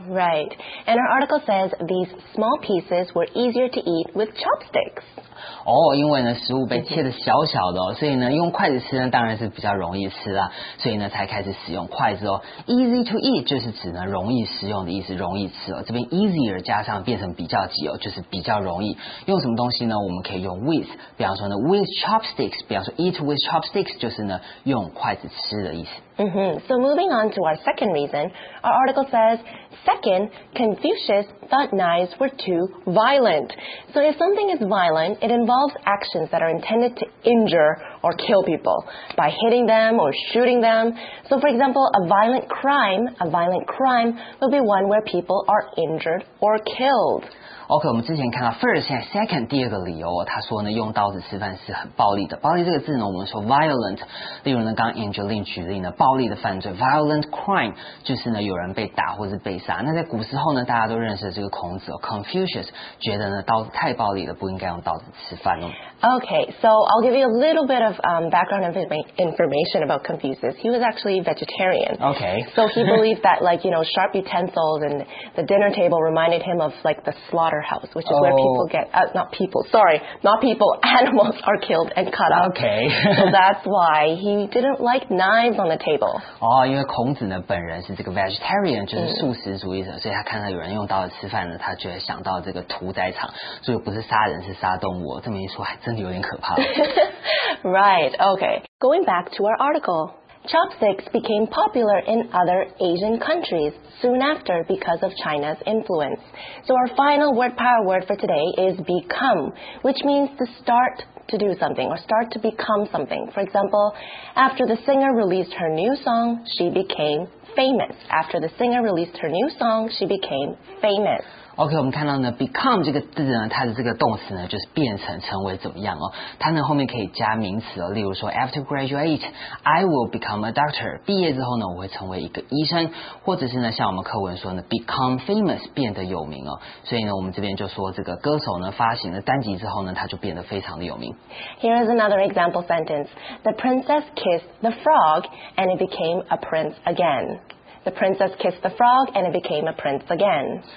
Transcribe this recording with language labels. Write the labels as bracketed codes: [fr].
[en] Right. And our article says these small pieces were easier to eat with chopsticks. [zh] 哦、oh, 因为呢食物被切得小小的、哦、所以呢用筷子吃呢当然是比较容易吃啦所以呢才开始使用筷子哦 Easy to eat 就是指呢容易食用的意思容易吃哦这边 easier 加上变成比较急哦就是比较容易用什么东西呢我们可以用 with 比方说呢 with chopsticks 比方说 [en] eat with chopsticks [zh] 就是呢用筷子吃的意思 Mm-hmm. [en] So moving on to our second reason, our article says, second, Confucius thought knives were too violent. So if something is violent, it involves actions that are intended to injure or kill people by hitting them or shooting them. So for example, a violent crime will be one where people are injured or killed. [zh] OK, 我们之前看到 first, 现在 second, 第二个理由、哦、他说呢用刀子吃饭是很暴力的。暴力这个字呢我们说 violent, 例如呢刚 Angeline 举例呢暴力的犯罪 ,violent crime, 就是呢有人被打或是被杀。那在古时候呢大家都认识了这个孔子、哦、,Confucius, 觉得呢刀子太暴力了不应该用刀子吃饭哦。 [en] OK, so I'll give you a little bit of background information about Confucius. He was actually vegetarian. OK. So he believed that like, you know, sharp utensils and the dinner table reminded him of like the slaughterhouse, which is、oh. where people get,、not people, sorry, not people, animals are killed and cut up. Okay. So that's why he didn't like knives on the table. [zh] 哦、oh, ，因为孔子呢本人是这个 vegetarian, 就是素食主义者、mm. 所以他看到有人用刀子吃饭呢他就会想到这个屠宰场所以不是杀人是杀动物这么一说还真的有点可怕 [en] Right, okay. Going back to our article. Chopsticks became popular in other Asian countries soon after because of China's influence. So our final word power word for today is become, which means to start to do something or start to become something. For example, after the singer released her new song, she became famous. After the singer released her new song, she became famous. [zh] OK, 我们看到呢 become 这个字呢它的这个动词呢就是变成成为怎么样哦它呢后面可以加名词哦例如说 [en] after graduate, I will become a doctor, [zh] 毕业之后呢我会成为一个医生或者是呢像我们课文说呢 become famous, 变得有名哦所以呢我们这边就说这个歌手呢发行了单集之后呢他就变得非常的有名。 [en] Here is another example sentence. The princess kissed the frog and it became a prince again. The princess kissed the frog and it became a prince again.